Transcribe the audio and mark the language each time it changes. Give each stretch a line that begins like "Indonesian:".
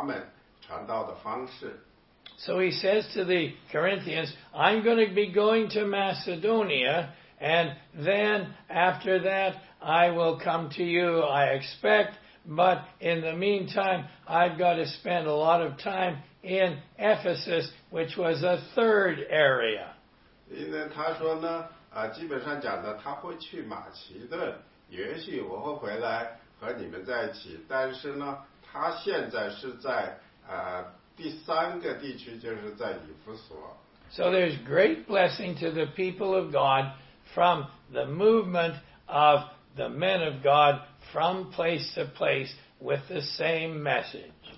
Chinese: 这不是使徒保罗和其他的属神的人在新约里他们传道的方式。
English: So he says to the Corinthians, I'm going to be going to Macedonia, and then after that I will come to you, I expect, but in the meantime I've got to spend a lot of time in Ephesus, which was a third area.
Chinese: 因为他说呢，基本上讲的他会去马其顿，也许我会回来和你们在一起，但是呢，他现在是在第三个地区，就是在以弗所。
English: So there's great blessing to the people of God from the movement of the men of God from place to place with the same message.